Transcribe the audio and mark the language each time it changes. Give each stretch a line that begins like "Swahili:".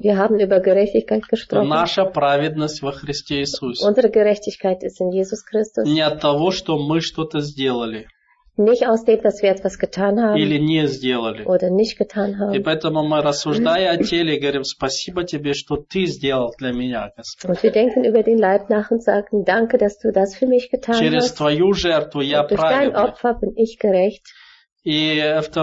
German: Wir haben über Gerechtigkeit gesprochen.
Russian: Наша праведность во Христе Иисусе.
German: Unsere Gerechtigkeit ist in Jesus Christus.
Russian: Не от того, что мы что-то сделали.
German: Nicht aus dem, dass wir etwas getan haben oder nicht getan haben. Und wir denken über den Leib nach und sagen, danke, dass du das für mich getan hast. Durch dein Opfer bin ich gerecht.